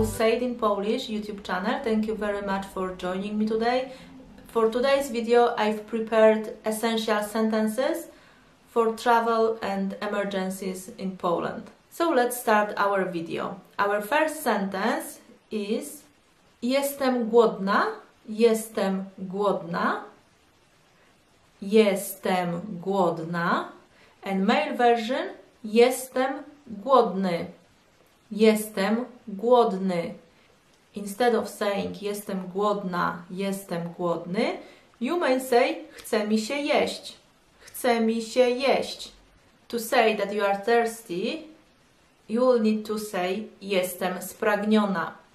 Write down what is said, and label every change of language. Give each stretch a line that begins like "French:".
English: Educate in Polish YouTube channel. Thank you very much for joining me today. For today's video, I've prepared essential sentences for travel and emergencies in Poland. So let's start our video. Our first sentence is
Polish: Jestem głodna, jestem głodna, jestem głodna,
English: and male version
Polish: Jestem głodny. Jestem głodny.
English: Instead of saying
Polish: jestem głodna, jestem głodny,
English: you may say
Polish: chcę mi się jeść. Chcę mi się jeść.
English: To say that you are thirsty, you will need to say
Polish: jestem spragniona.